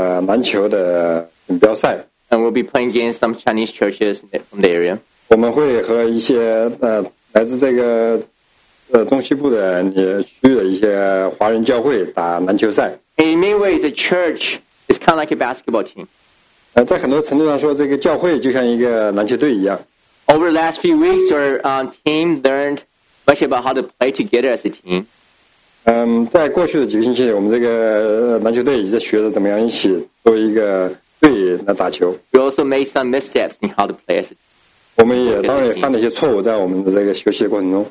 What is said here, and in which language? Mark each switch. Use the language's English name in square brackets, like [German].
[Chinese] 有些人可能知道我们下个星期我们会有一些人去芝加哥打一个篮球的锦标赛。 [English] And we'll be playing against some Chinese churches from the area. [Chinese] 我们会和一些来自这个中西部的区域的一些华人教会打篮球赛。 [English] In many ways, a church is kind of like a basketball team. [Chinese] 在很多程度上说，这个教会就像一个篮球队一样。 [English] Over the last few weeks, our team learned much about how to play together as a team. [Chinese] 在过去的几个星期，我们这个篮球队已经学着怎么样一起做一个队来打球。 [English] We also made some missteps in how to play as a team. [Chinese] 我们也当然犯了一些错误，在我们的这个学习过程中。